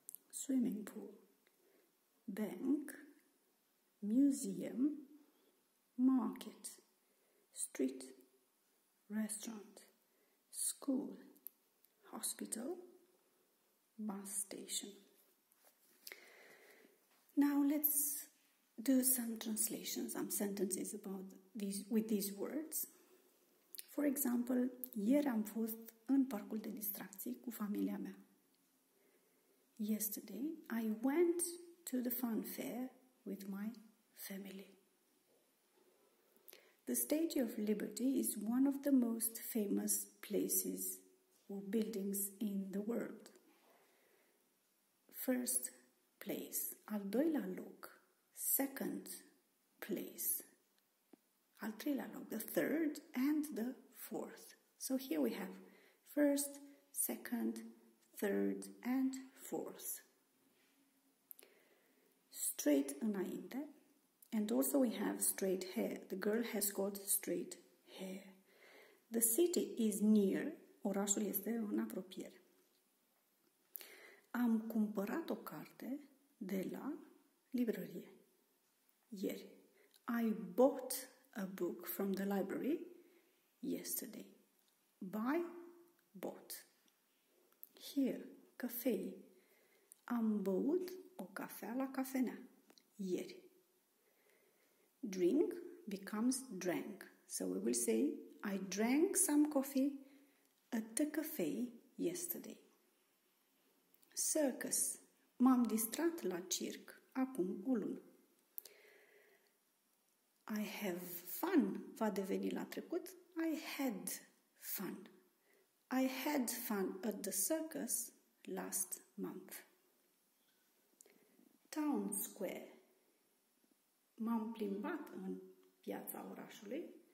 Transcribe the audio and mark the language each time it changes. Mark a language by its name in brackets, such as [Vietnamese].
[English] swimming pool, bank, museum, market, street, restaurant, school, hospital, bus station. Now let's do some translations, some sentences about these words. For example, [Romanian] ieri am fost în parcul de distracții cu familia mea. [English] Yesterday I went to the fun fair with my family. The Statue of Liberty is one of the most famous places or buildings in the world. First place, [Romanian] al doilea loc, [English] second place, [Romanian] al treilea loc, [English] the third and the fourth. So here we have first, second, third and fourth. Straight înainte. And also we have straight hair. The girl has got straight hair. The city is near. [Romanian] Orașul este în apropiere. Am cumpărat o carte de la librărie ieri. [English] I bought a book from the library yesterday. Buy, bought. Here, cafe. [Romanian] Am băut o cafea la cafenea ieri. [English] Drink becomes drank. So we will say, I drank some coffee at the cafe yesterday. Circus. [Romanian] M-am distrat la circ acum o lună. [English] I have fun. [Romanian] Va deveni la trecut. [English] I had fun. I had fun at the circus last month. Town square. [Romanian] M-am plimbat în piața orașului.